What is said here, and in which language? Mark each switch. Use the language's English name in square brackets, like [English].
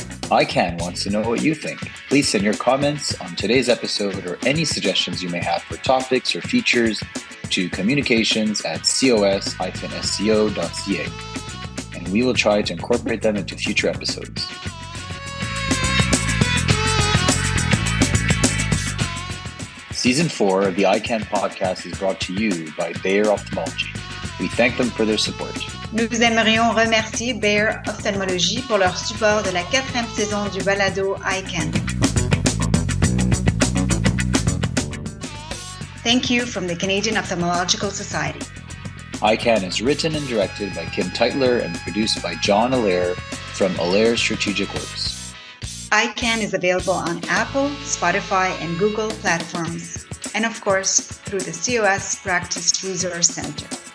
[English] ICANN wants to know what you think. Please send your comments on today's episode or any suggestions you may have for topics or features to communications@cos-sco.ca. And we will try to incorporate them into future episodes. Season 4 of the ICANN podcast is brought to you by Bayer Ophthalmology. We thank them for their support. [French] Nous aimerions remercier Bayer Ophthalmology pour leur support de la 4e saison du balado ICANN. [English] Thank you from the Canadian Ophthalmological Society. ICANN is written and directed by Kim Teitler and produced by John Allaire from Allaire Strategic Works. ICANN is available on Apple, Spotify, and Google platforms, and of course, through the COS Practice Resource Center.